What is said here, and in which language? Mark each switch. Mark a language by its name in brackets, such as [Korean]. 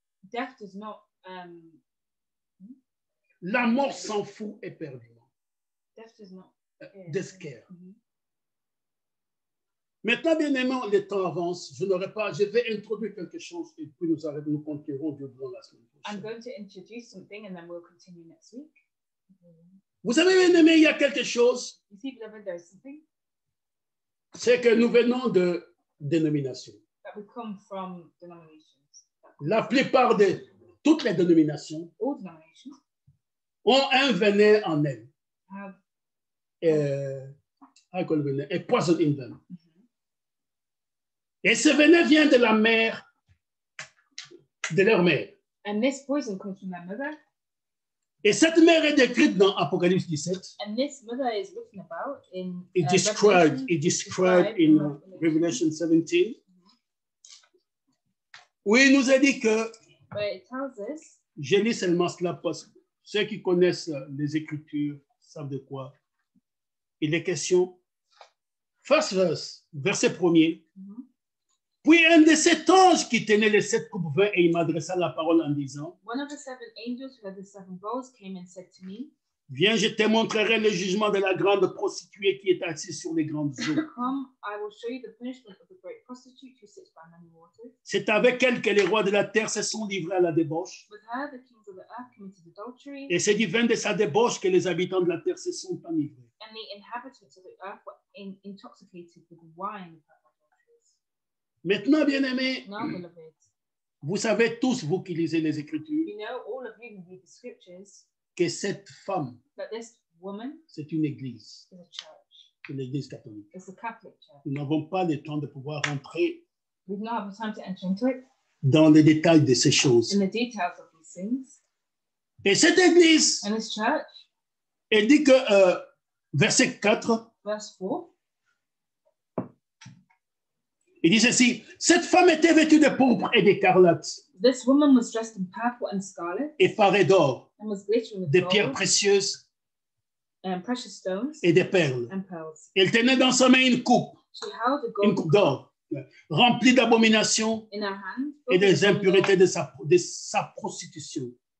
[English] Death does not, [French] La mort s'en fout éperdument. [English] Death does not care. [French] Maintenant, bien aimant, le temps avance. Je n'aurai pas. Je vais introduire quelque chose et puis nous continuerons Dieu devant la semaine prochaine. [English] I'm going to introduce something and then we'll continue next week. [French] Vous savez, bien aimé, il y a quelque chose. [English] You see, beloved, there's something. [French] C'est que nous venons de dénomination. [English] That we come from denominations. [French] La plupart de toutes les dénominations, [English] all denominations, [French] ont un venin en elles. [English] Have alcohol venin, a poison in them. [French] Et ce venin vient de la mère, de leur mère. [English] And this poison comes from their mother. [French] Et cette mère est décrite dans Apocalypse 17. [English] And this mother is written about in it described. It described in Revelation 17. Mm-hmm. [French] Oui, il nous a dit que. [English] But it tells us. [French] Je lis seulement cela parce que ceux qui connaissent les Écritures savent de quoi. Il est question. [English] First verse, [French] verset premier. Mm-hmm. Puis un de sept anges qui tenait les sept coupes vin et il m'adressa la parole en disant, [English] One of the seven angels who had the seven bowls came and said to me, [French] Viens, je te montrerai le jugement de la grande prostituée qui est assise sur les grandes eaux. [English] Come, I will show you the punishment of the great prostitute who sits by many waters. [French] C'est avec elle que les rois de la terre se sont livrés à la débauche. [English] With her, the kings of the earth committed adultery. [French] Et c'est du vin de sa débauche que les habitants de la terre se sont enivrés. [English] And the inhabitants of the earth were intoxicated with wine. [French] Maintenant, bien aimé, non, Vous savez tous, vous qui lisez les Écritures, [English] you know, all of you who read the scriptures, [French] que cette femme, [English] that this woman, [French] c'est une église. [English] Is a church. [French] C'est l'église catholique. [English] It's a Catholic church. [French] Nous n'avons pas le temps de pouvoir rentrer [English] we don't have the time to enter into it, [French] dans les détails de ces choses. [English] In the details of these things. [French] Et cette église, [English] and this church, [French] elle dit que, verset 4, [English] verse 4, [French] il dit ceci, cette femme était vêtue de pourpre et d'écarlate. [English] This woman was dressed in purple and scarlet. [French] Et parée d'or. [English] And was glittering with [French] gold. Des pierres précieuses. [English] And precious stones. [French] Et des perles. [English] And pearls. [French] Elle tenait dans sa main une coupe. [English] She held a gold. [French] Une coupe d'or. Remplie d'abominations. [English] In her hand. [French] Et des impuretés de sa prostitution.